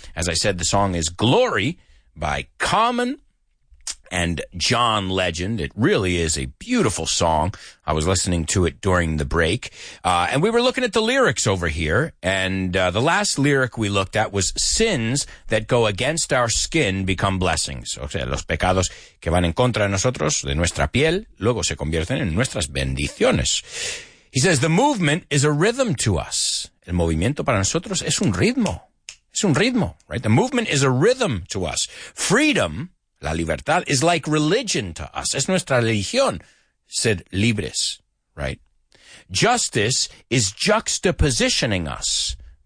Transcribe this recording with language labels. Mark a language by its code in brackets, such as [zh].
[en] As I said, the song is Glory by Common and John Legend. It really is a beautiful song. I was listening to it during the break. And we were looking at the lyrics over here. And the last lyric we looked at was sins that go against our skin become blessings. [es] O sea, los pecados que van en contra de nosotros, de nuestra piel, luego se convierten en nuestras bendiciones. [en] He says, the movement is a rhythm to us. [es] El movimiento para nosotros es un ritmo. Es un ritmo, right? [en] The movement is a rhythm to us. Freedom... [es] La libertad [en] is like religion to us. [es] Es nuestra religión, said Libres, right? [en] Justice is juxtapositioning us.